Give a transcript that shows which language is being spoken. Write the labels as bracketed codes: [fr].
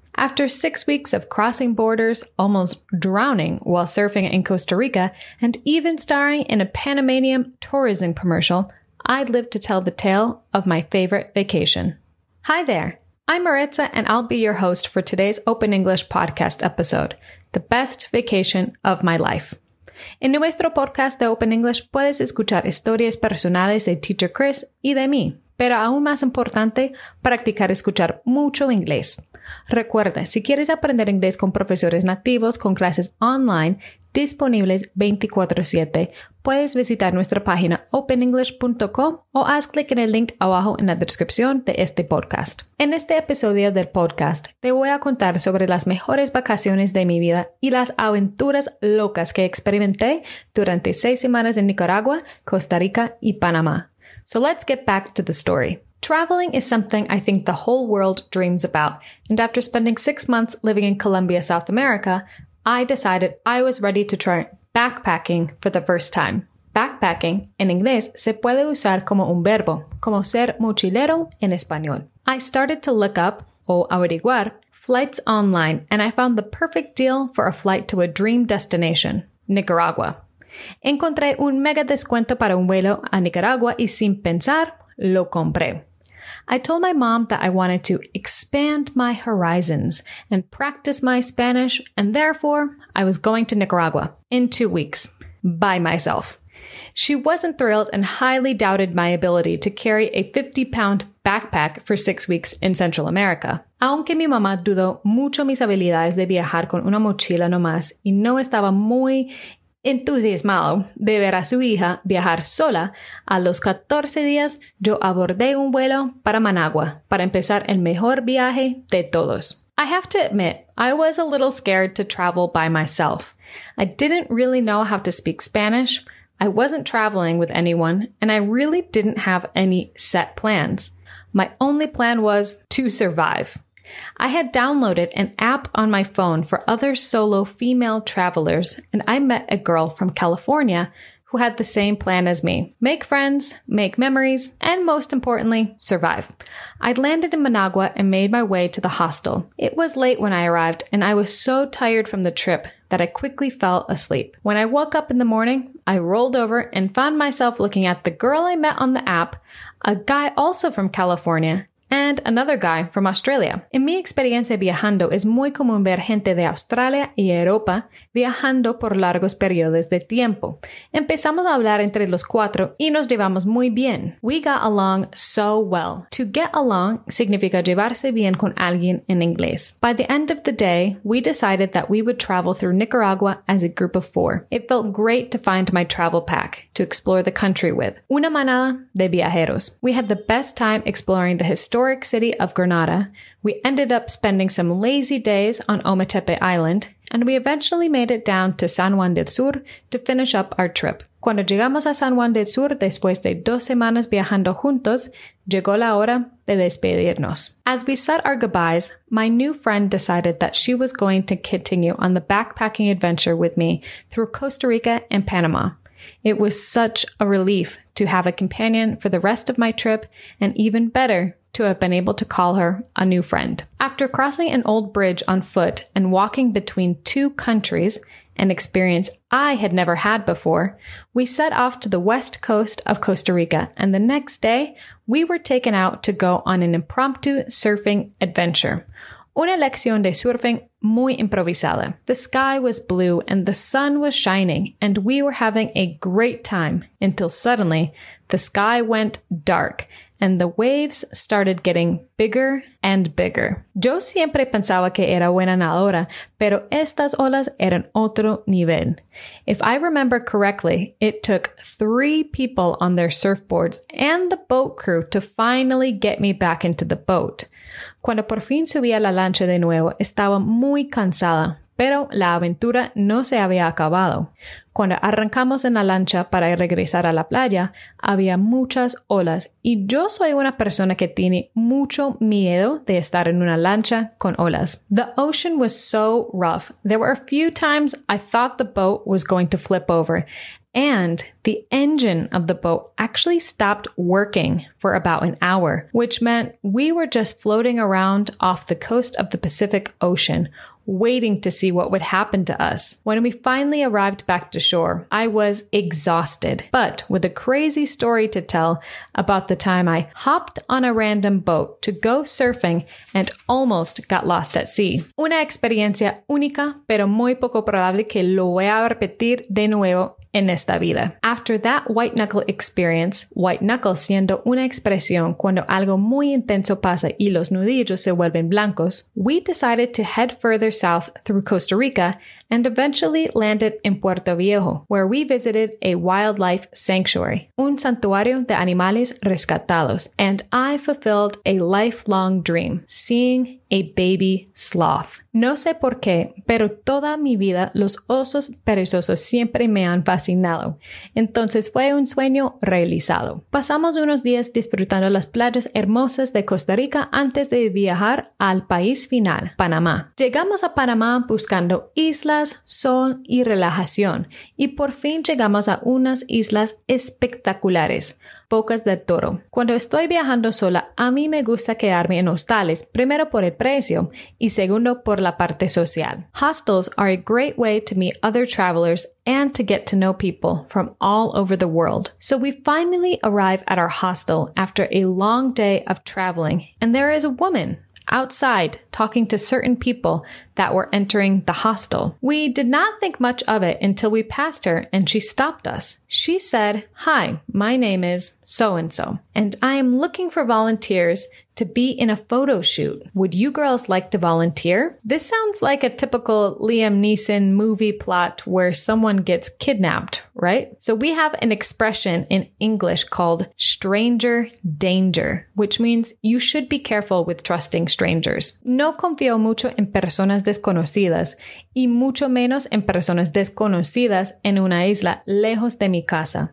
[en] After 6 weeks of crossing borders, almost drowning while surfing in Costa Rica, and even starring in a Panamanian tourism commercial, I live to tell the tale of my favorite vacation. Hi there, I'm Maritza, and I'll be your host for today's Open English podcast episode, The Best Vacation of My Life. [es] En nuestro podcast de Open English puedes escuchar historias personales de teacher Chris y de mí, pero aún más importante, practicar escuchar mucho inglés. Recuerda, si quieres aprender inglés con profesores nativos con clases online disponibles 24/7, puedes visitar nuestra página openenglish.com o haz clic en el link abajo en la descripción de este podcast. En este episodio del podcast, te voy a contar sobre las mejores vacaciones de mi vida y las aventuras locas que experimenté durante 6 semanas en Nicaragua, Costa Rica y Panamá. [en] So let's get back to the story. Traveling is something I think the whole world dreams about, and after spending 6 months living in Colombia, South America, I decided I was ready to try backpacking for the first time. [es] Backpacking, en inglés, se puede usar como un verbo, como ser mochilero en español. [en] I started to look up, [es] o averiguar, [en] flights online, and I found the perfect deal for a flight to a dream destination, Nicaragua. [es] Encontré un mega descuento para un vuelo a Nicaragua y sin pensar, lo compré. [en] I told my mom that I wanted to expand my horizons and practice my Spanish, and therefore, I was going to Nicaragua in 2 weeks, by myself. She wasn't thrilled and highly doubted my ability to carry a 50-pound backpack for 6 weeks in Central America. [es] Aunque mi mamá dudó mucho mis habilidades de viajar con una mochila nomás y no estaba muy entusiasmado de ver a su hija viajar sola, a los 14 días yo abordé un vuelo para Managua para empezar el mejor viaje de todos. [en] I have to admit, I was a little scared to travel by myself. I didn't really know how to speak Spanish, I wasn't traveling with anyone, and I really didn't have any set plans. My only plan was to survive. I had downloaded an app on my phone for other solo female travelers, and I met a girl from California who had the same plan as me. Make friends, make memories, and most importantly, survive. I landed in Managua and made my way to the hostel. It was late when I arrived, and I was so tired from the trip that I quickly fell asleep. When I woke up in the morning, I rolled over and found myself looking at the girl I met on the app, a guy also from California, and another guy from Australia. [es] En mi experiencia viajando, es muy común ver gente de Australia y Europa viajando por largos periodos de tiempo. Empezamos a hablar entre los cuatro y nos llevamos muy bien. [en] We got along so well. To get along [es] significa llevarse bien con alguien en inglés. [en] By the end of the day, we decided that we would travel through Nicaragua as a group of four. It felt great to find my travel pack to explore the country with. [es] Una manada de viajeros. [en] We had the best time exploring the historic city of Granada. We ended up spending some lazy days on Ometepe Island, and we eventually made it down to San Juan del Sur to finish up our trip. [es] Cuando llegamos a San Juan del Sur después de 2 semanas viajando juntos, llegó la hora de despedirnos. [en] As we said our goodbyes, my new friend decided that she was going to continue on the backpacking adventure with me through Costa Rica and Panama. It was such a relief to have a companion for the rest of my trip, and even better, to have been able to call her a new friend. After crossing an old bridge on foot and walking between two countries, an experience I had never had before, we set off to the west coast of Costa Rica, and the next day, we were taken out to go on an impromptu surfing adventure. [es] Una lección de surfing muy improvisada. [en] The sky was blue and the sun was shining, and we were having a great time until suddenly the sky went dark and the waves started getting bigger and bigger. [es] Yo siempre pensaba que era buena nadadora, pero estas olas eran otro nivel. [en] If I remember correctly, it took 3 people on their surfboards and the boat crew to finally get me back into the boat. [es] Cuando por fin subí a la lancha de nuevo, estaba muy cansada, Pero la aventura no se había acabado. Cuando arrancamos en la lancha para regresar a la playa, había muchas olas y yo soy una persona que tiene mucho miedo de estar en una lancha con olas. [en] The ocean was so rough. There were a few times I thought the boat was going to flip over. And the engine of the boat actually stopped working for about an hour, which meant we were just floating around off the coast of the Pacific Ocean, waiting to see what would happen to us. When we finally arrived back to shore, I was exhausted, but with a crazy story to tell about the time I hopped on a random boat to go surfing and almost got lost at sea. [es] Una experiencia única, pero muy poco probable que lo voy a repetir de nuevo en esta vida. [en] After that white knuckle experience, white knuckle [es] siendo una expresión cuando algo muy intenso pasa y los nudillos se vuelven blancos, [en] we decided to head further south through Costa Rica and eventually landed in Puerto Viejo, where we visited a wildlife sanctuary, [es] un santuario de animales rescatados. [en] And I fulfilled a lifelong dream, seeing a baby sloth. [es] No sé por qué, pero toda mi vida los osos perezosos siempre me han fascinado. Entonces fue un sueño realizado. Pasamos unos días disfrutando las playas hermosas de Costa Rica antes de viajar al país final, Panamá. Llegamos a Panamá buscando islas, sol y relajación. Y por fin llegamos a unas islas espectaculares, Bocas del Toro. Cuando estoy viajando sola, a mí me gusta quedarme en hostales, primero por el precio y segundo por la parte social. [en] Hostels are a great way to meet other travelers and to get to know people from all over the world. So we finally arrive at our hostel after a long day of traveling, and there is a woman outside talking to certain people that were entering the hostel. We did not think much of it until we passed her and she stopped us. She said, "Hi, my name is so-and-so, and I am looking for volunteers to be in a photo shoot. Would you girls like to volunteer?" This sounds like a typical Liam Neeson movie plot where someone gets kidnapped, right? So we have an expression in English called stranger danger, which means you should be careful with trusting strangers. [es] No confío mucho en personas desconocidas y mucho menos en personas desconocidas en una isla lejos de mi casa.